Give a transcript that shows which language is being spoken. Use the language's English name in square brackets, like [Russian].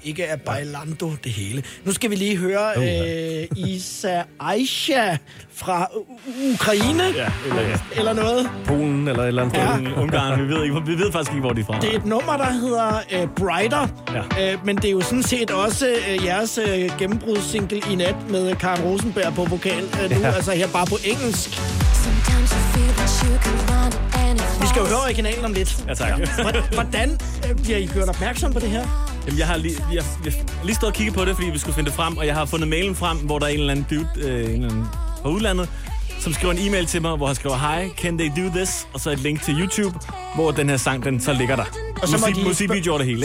[Danish] Ikke er bailando det hele. Nu skal vi lige høre Isa Aisha fra Ukraine. Eller noget. Polen eller et eller andet. Ja. Ungarn. Vi ved faktisk ikke, hvor de er fra. Det er et nummer, der hedder Brighter. Ja. Men det er jo sådan set også jeres gennembrudssingle i nat med Karen Rosenberg på vokal. Altså her bare på engelsk. [English] Sometimes you feel that you can find it. [Danish] Vi skal jo høre originalen om lidt. Ja, tak. Hvordan bliver I gjort opmærksom på det her? Jamen, jeg har lige stået og kigget på det, fordi vi skulle finde det frem, og jeg har fundet mailen frem, hvor der er en eller anden dude på udlandet, som skriver en e-mail til mig, hvor han skriver, [English] hi, can they do this? [Danish] Og så et link til YouTube, hvor den her sang, den så ligger der. Musikvideoer det hele, ikke?